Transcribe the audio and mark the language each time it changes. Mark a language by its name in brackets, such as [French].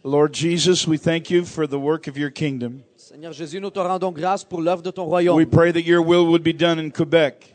[English] Lord Jesus, we thank you for the work of your kingdom. [French] Seigneur Jésus, nous te rendons grâce pour l'œuvre de ton royaume. [English] We pray that your will would be done in Quebec.